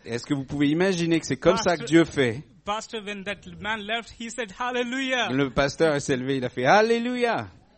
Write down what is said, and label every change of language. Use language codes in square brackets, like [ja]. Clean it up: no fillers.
[fr] Est-ce que vous pouvez imaginer que c'est comme ça que Dieu fait? [en] Pastor, when that man left, he said hallelujah. [fr] Le pasteur s'est levé, il a fait hallelujah.